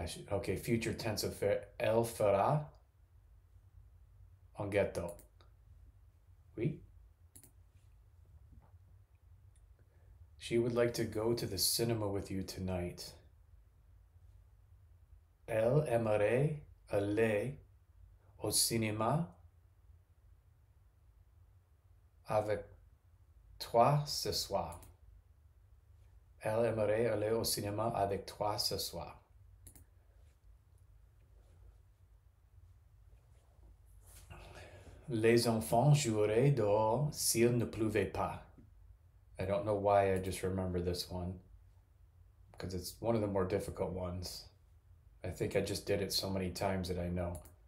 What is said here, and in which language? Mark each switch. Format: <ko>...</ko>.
<en>Okay, future tense of</en> <fr>elle fera un gâteau. Oui.</fr> <en>She would like to go to the cinema with you tonight.</en> <fr>Elle aimerait aller au cinéma avec toi ce soir. Elle aimerait aller au cinéma avec toi ce soir. Les enfants joueraient dehors s'il ne pleuvait pas.</fr> <en>I don't know why I just remember this one, because it's one of the more difficult ones. I think I just did it so many times that I know.</en>